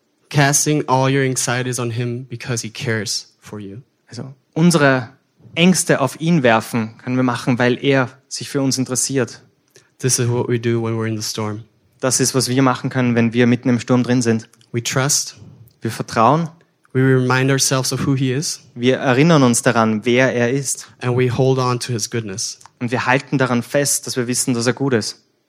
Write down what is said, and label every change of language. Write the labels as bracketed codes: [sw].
[en] Casting all your anxieties on him because he cares for you. [de] Also unsere Ängste auf ihn werfen können wir machen, weil er sich für uns interessiert. [en] This is what we do when we're in the storm. [de] Das ist, was wir machen können, wenn wir mitten im Sturm drin sind. [en] We trust. [de] Wir vertrauen. [en] We remind ourselves of who he is. [de] Wir erinnern uns daran, wer er ist. [en] And we hold on to his goodness. [de] Und wir halten daran fest, dass wir wissen, dass er gut ist.